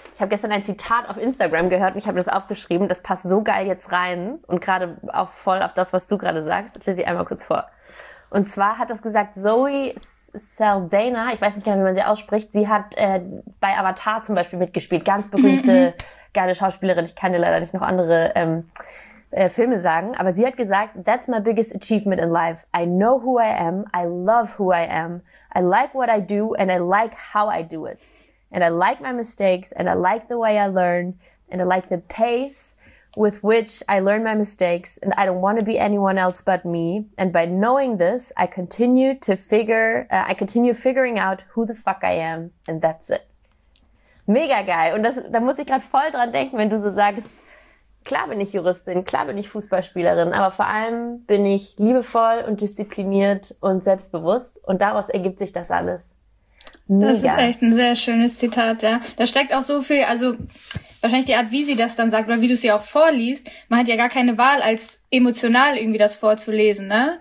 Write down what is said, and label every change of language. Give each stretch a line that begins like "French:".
German: Ich habe gestern ein Zitat auf Instagram gehört und ich habe das aufgeschrieben. Das passt so geil jetzt rein und gerade auch voll auf das, was du gerade sagst. Das lese ich einmal kurz vor. Und zwar hat das gesagt Zoe Saldana, ich weiß nicht genau, wie man sie ausspricht. Sie hat bei Avatar zum Beispiel mitgespielt. Ganz berühmte, geile Schauspielerin. Ich kann dir leider nicht noch andere Filme sagen, aber sie hat gesagt,
English: that's my biggest achievement in life. I know who I am, I love who I am, I like what I do and I like how I do it. And I like my mistakes and I like the way I learn and I like the pace with which I learn my mistakes and I don't want to be anyone else but me. And by knowing this, I continue figuring out who the fuck I am and that's it.
German: Mega geil. Und das, da muss ich gerade voll dran denken, wenn du so sagst, klar bin ich Juristin, klar bin ich Fußballspielerin, aber vor allem bin ich liebevoll und diszipliniert und selbstbewusst und daraus ergibt sich das alles. Mega. Das ist echt ein sehr schönes Zitat, ja. Da steckt auch so viel, also wahrscheinlich die Art, wie sie das dann sagt oder wie du es ja auch vorliest, man hat ja gar keine Wahl, als emotional irgendwie das vorzulesen, ne?